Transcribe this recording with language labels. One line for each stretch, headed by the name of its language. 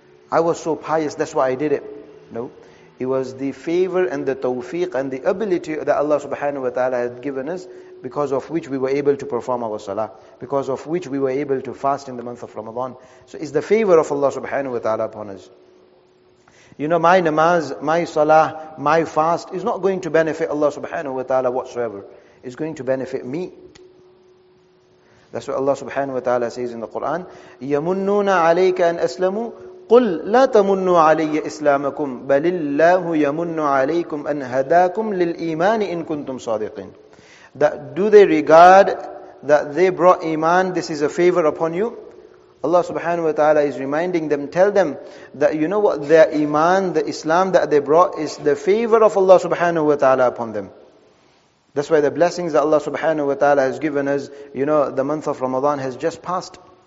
English: I was so pious, that's why I did it. No. It was the favor and the tawfiq and the ability that Allah subhanahu wa ta'ala had given us, because of which we were able to perform our salah, because of which we were able to fast in the month of Ramadan. So it's the favor of Allah subhanahu wa ta'ala upon us. You know, my namaz, my salah, my fast is not going to benefit Allah subhanahu wa ta'ala whatsoever. It's going to benefit me. That's what Allah subhanahu wa ta'ala says in the Quran,
Arabic: يَمُنُّونَ عَلَيْكَ أَنْ أَسْلَمُوا قُلْ لَا تَمُنُّوا عَلَيَّ إِسْلَامَكُمْ بَلِ اللَّهُ يَمُنُّ عَلَيْكُمْ أَنْ هَدَاكُمْ لِلْإِيمَانِ إِن كُنْتُمْ صَادِقِينَ.
English: That do they regard that they brought iman, this is a favor upon you? Allah subhanahu wa ta'ala is reminding them, tell them that you know what, their iman, the Islam that they brought is the favor of Allah subhanahu wa ta'ala upon them. That's why the blessings that Allah subhanahu wa ta'ala has given us, you know, the month of Ramadan has just passed.